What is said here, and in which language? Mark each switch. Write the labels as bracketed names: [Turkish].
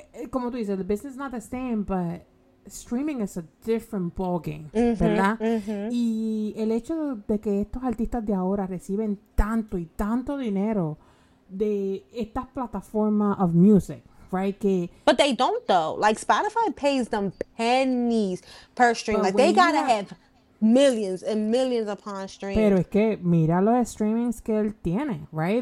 [Spanish] Como tú dices, [English] the business is not the same, but streaming is a different ballgame, mm-hmm, ¿verdad? Mm-hmm. [Spanish] Y el hecho de que estos artistas de ahora reciben tanto y tanto dinero de estas plataformas [English] of music, [Spanish] right? Que, [English] but they don't, though. Like, Spotify pays them pennies per stream. Like, they gotta have millions and millions upon stream. [Spanish] Pero es que mira los streamings que él tiene, right?